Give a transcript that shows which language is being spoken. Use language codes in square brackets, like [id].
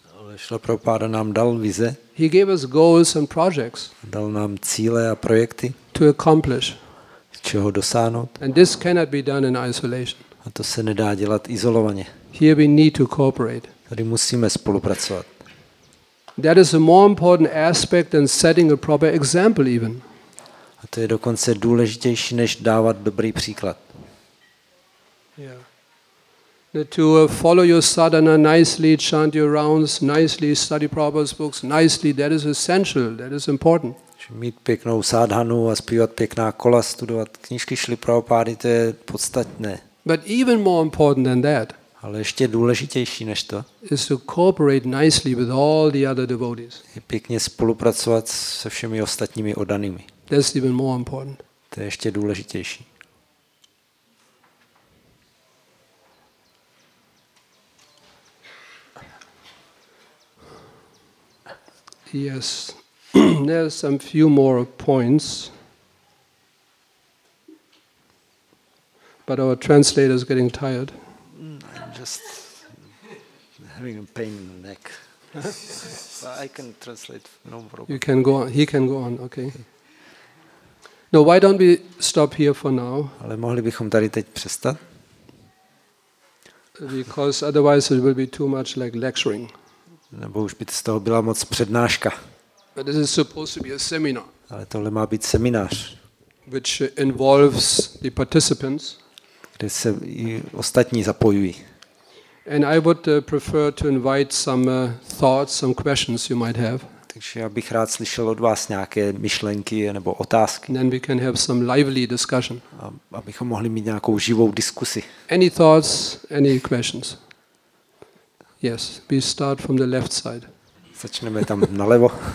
[cs] Ale Srila Prabhupada nám dal vize. [en] He gave us goals and projects. [cs] Dal nám cíle a projekty. [en] To accomplish. [cs] Čeho dosáhnout. [en] And this cannot be done in isolation. [cs] A to se nedá dělat izolovaně. [en] Here we need to cooperate. [cs] Tady musíme spolupracovat. [en] That is a more important aspect than setting a proper example even. [cs] A to je dokonce důležitější než dávat dobrý příklad. [en] Yeah. To follow your sadhana nicely, chant your rounds nicely, study Prabhupada's books nicely, that is essential, that is important. [cs] Mít pěknou sadhanu a zpívat pěkná kola, studovat knížky Šrily Prabhupády, to je podstatné. [en] But even more important than that. [cs] Ale ještě důležitější než to. [en] Is to cooperate nicely with all the other devotees. [cs] Je pěkně spolupracovat se všemi ostatními oddanými. [en] That's even more important. [cs] To je ještě důležitější. [en] Yes, there are some few more points, but our translator is getting tired. I'm just having a pain in the neck. But I can translate, no problem. You can go on. He can go on. Okay. No, why don't we stop here for now? [cs] Ale mohli bychom tady teď přestat? [en] Because otherwise it will be too much like lecturing. [cs] Nebo už by z toho byla moc přednáška. [en] But this is supposed to be a seminar. [cs] Ale tohle má být seminář. [en] Which involves the participants. [cs] Kde se i ostatní zapojují. [en] And I would prefer to invite some thoughts, some questions you might have. [cs] Takže já bych rád slyšel od vás nějaké myšlenky nebo otázky. [en] Then we can have some lively discussion. [cs] Abychom mohli mít nějakou živou diskusi. [en] Any thoughts, any questions? Yes, we start from the left side. [cs] Začneme tam nalevo.